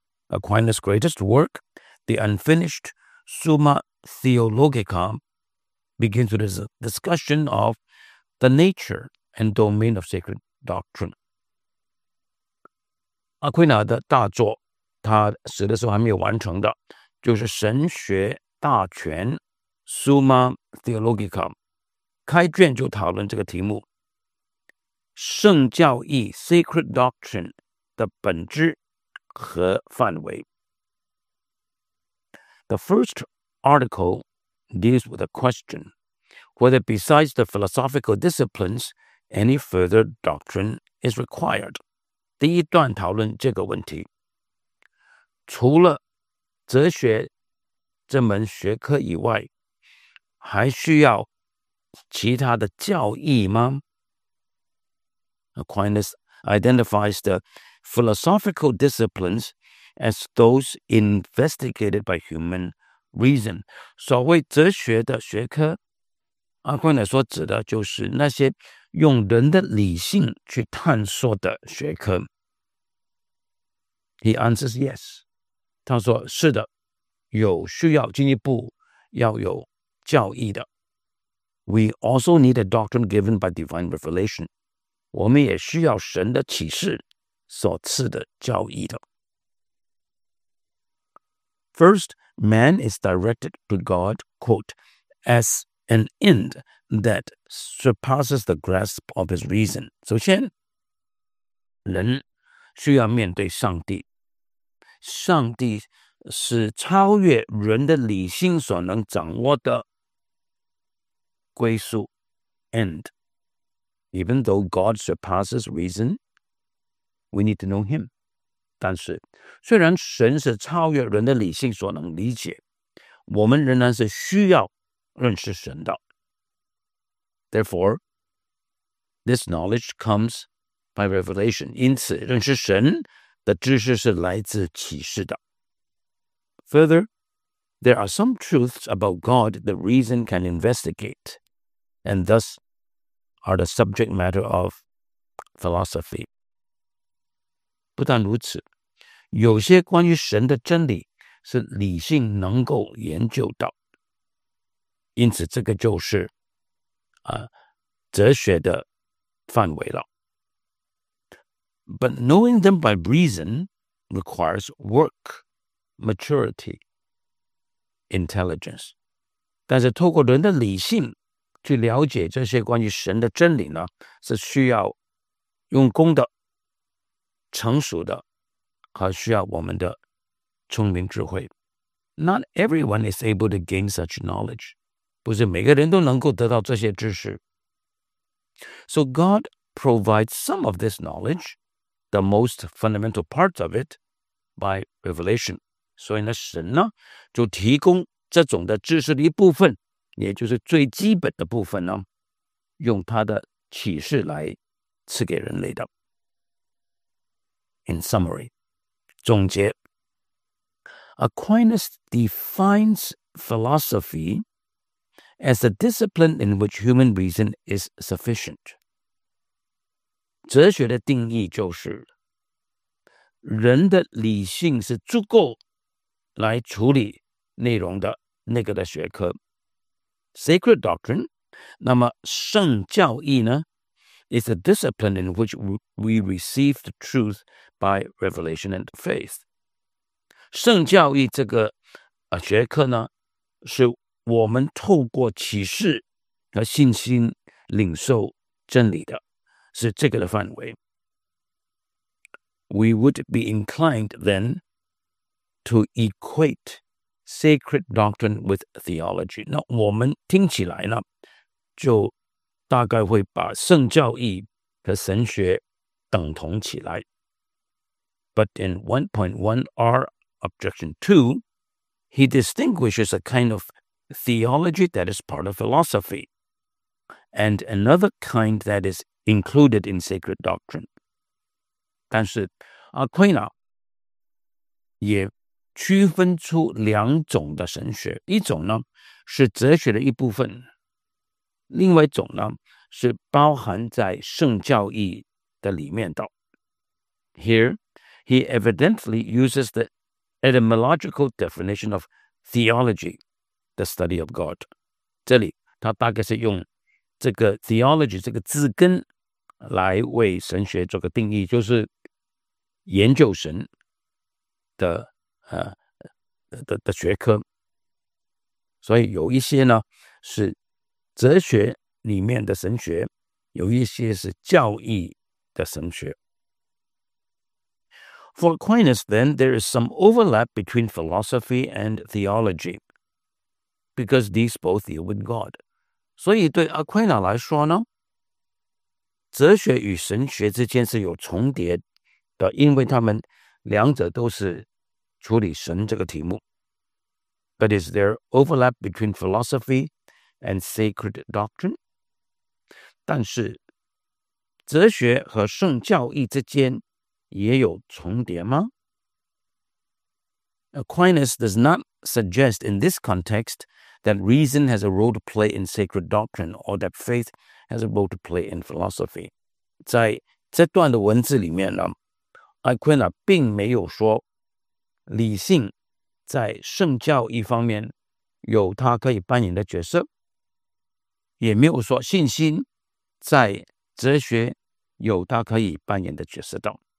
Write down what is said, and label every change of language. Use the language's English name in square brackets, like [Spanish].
[English] Aquinas' greatest work, The Unfinished Summa Theologica, begins with a discussion of the nature and domain of sacred doctrine. [Chinese] Aquinas 的大作，他死的时候还没有完成的就是神学大全 Summa Theologica 开卷就讨论这个题目圣教义 Sacred Doctrine 的本质和范围。 [English] The first article deals with the question whether besides the philosophical disciplines any further doctrine is required. [Chinese] 第一段讨论这个问题，除了哲学这门学科以外，还需要其他的教义吗？ [English] Aquinas identifies the philosophical disciplines as those investigated by human reason. [Chinese] 所谓哲学的学科，阿奎那所指的就是那些用人的理性去探索的学科。 [English] He answers yes. [Chinese] 他说是的，有需要进一步要有教义的。 [English] We also need a doctrine given by divine revelation. [Chinese] 我们也需要神的启示所赐的教义的。 [English] First, man is directed to God, quote, as an end that surpasses the grasp of his reason. [Chinese] 首先，人需要面对上帝，上帝是超越人的理性所能掌握的归宿。 [English] And even though God surpasses reason, we need to know him. [Chinese] 但是虽然神是超越人的理性所能理解，我们仍然是需要认识神的。 [English] Therefore, this knowledge comes by revelation. [Chinese] 因此认识神的知识是来自启示的。 [English] Further, there are some truths about God that reason can investigate, and thus are the subject matter of philosophy. [Chinese] 不但如此，有些关于神的真理是理性能够研究到，因此这个就是哲学的范围了。 [English] But knowing them by reason requires work. Maturity, intelligence. [Chinese] 但是透过人的理性去了解这些关于神的真理呢，是需要用功的、成熟的，还需要我们的聪明智慧。 [English] Not everyone is able to gain such knowledge. [Chinese] 不是每个人都能够得到这些知识。 [English] So God provides some of this knowledge, the most fundamental parts of it, by revelation. [Chinese] 所以呢，神呢就提供这种的知识的一部分，也就是最基本的部分呢，用他的启示来赐给人类的。 [English] In summary, [Chinese] 总结， [English] Aquinas defines philosophy as a discipline in which human reason is sufficient. [Chinese] 哲学的定义就是人的理性是足够来处理内容的那个的学科。 [English] Sacred doctrine, [Chinese] 那么圣教义呢， [English] is a discipline in which we receive the truth by revelation and faith. [Chinese] 圣教义这个学科呢，是我们透过启示和信心领受真理的，是这个的范围。 [English] We would be inclined then,to equate sacred doctrine with theology. [Chinese] 那我们听起来呢，就大概会把圣教义和神学等同起来。 [English] But in 1.1R objection 2, he distinguishes a kind of theology that is part of philosophy, and another kind that is included in sacred doctrine. [Chinese] 但是阿奎那也区分出两种的神学，一种呢是哲学的一部分，另外一种呢是包含在圣教义的里面的。 [English] Here, he evidently uses the etymological definition of theology, the study of God. [Chinese] 这里他大概是用这个 theology 这个字根来为神学做个定义，就是研究神的学科。所以有一些呢是哲学里面的神学，有一些是教义的神学。 [English] For Aquinas, then, there is some overlap between philosophy and theology, because these both deal with God. [Chinese] 所以对阿奎那来说呢，哲学与神学之间是有重叠的，因为他们两者都是处理神这个题目。 [English] But is there overlap between philosophy and sacred doctrine? [Chinese] 但是哲学和圣教义之间也有重叠吗？ [English] Aquinas does not suggest in this context that reason has a role to play in sacred doctrine or that faith has a role to play in philosophy. [Chinese] 在这段的文字里面呢， Aquinas 并没有说理性在圣教义方面有它可以扮演的角色，也没有说信心在哲学有它可以扮演的角色的。